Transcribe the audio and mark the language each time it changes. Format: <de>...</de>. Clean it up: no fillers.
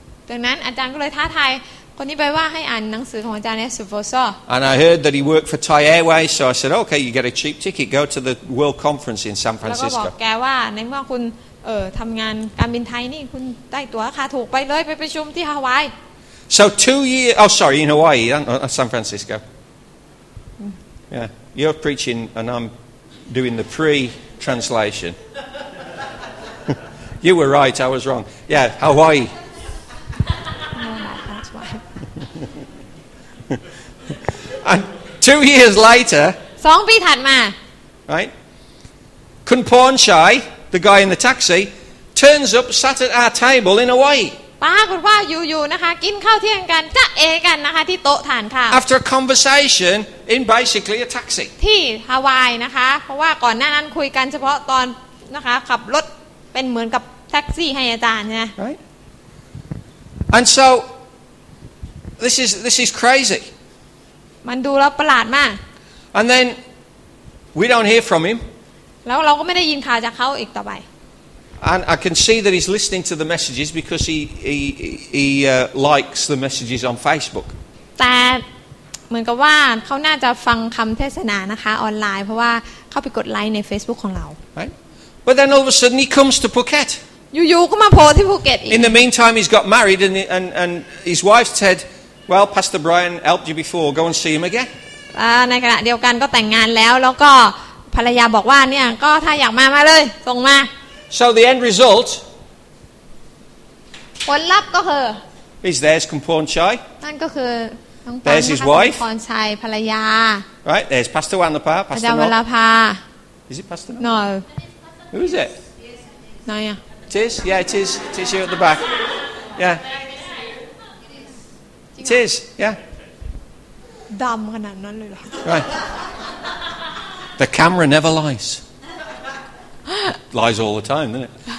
<th>ดังนั้นอาจารย์ก็เลยท้าทายคนนี้ไปว่าให้อ่านหนังสือของอาจารย์ Ed Silvoso</th> <en>And I heard that he worked for Thai Airways so I said okay you get a cheap ticket go to the world conference in San Francisco</en> <th>แล้วก็บอกแกว่าในเมื่อคุณทำงานการบินไทยนี่คุณได้ตั๋วราคาถูกไปเลยไปประชุมที่ฮาวาย</th> <en>So 2 years oh sorry in Hawaii San Francisco Yeah you're preaching and I'm doing the pre translationYou were right, I was wrong. Yeah, Hawaii. That's why. And 2 years later,</en> <th>2ปีถัดมา</th> <en>right? Kunporn Chai, the guy in the taxi, turns up, sat at our table in Hawaii.</en> <th>ปรากฏว่าอยู่ๆนะคะกินข้าวเที่ยงกันจ๊ะเอกันนะคะที่โต๊ะทานข้าว</th> <en>After a conversation in basically a taxi.</en> <th>ที่ฮาวายนะคะเพราะว่าก่อนหน้านั้นคุยกันเฉพาะตอนนะคะขับรถเป็นเหมือนกับแท็กซี่ให้อาจารย์ใช่ไหม</th> <en>Right And so this is crazy</en> <th>มันดูแล้วประหลาดมาก</th> <en>And then we don't hear from him</en> <th>แล้วเราก็ไม่ได้ยินข่าวจากเขาอีกต่อไป</th> <en>And I can see that he's listening to the messages because he likes the messages on Facebook</en> <th>แต่เหมือนกับว่าเขาน่าจะฟังคำเทศนานะคะออนไลน์เพราะว่าเข้าไปกดไลค์ใน Facebook ของเรา</th> <en>Right But then all of a sudden he comes to Phuket. You come to Phuket. In the meantime, he's got married, and his wife said, "Well, Pastor Brian helped you before. Go and see him again."</en> <th>ในขณะเดียวกันก็แต่งงานแล้วก็ภรรยาบอกว่าเนี่ยก็ถ้าอยากมามาเลยส่งมา</th> <en>So the end result.</en> <th>ผลลัพธ์ก็คือ</th> <en>Is there's Kumporn Chai?</en> <th>นั่นก็คือ</th> <en>There's his wife.</en> <th>Kumporn Chai, ภรรยา</th> <en>Right there's Pastor Wanlapa. Pastor Wanlapa. Is it Pastor? No. Who is it? No, yeah. It is? Yeah, it is. It is you at the back. Yeah. It is, yeah.</en> <th>Dumb ขนาดนั้นเลยเหรอ</th> <en>Right. The camera never lies. Lies all the time, doesn't it?</en>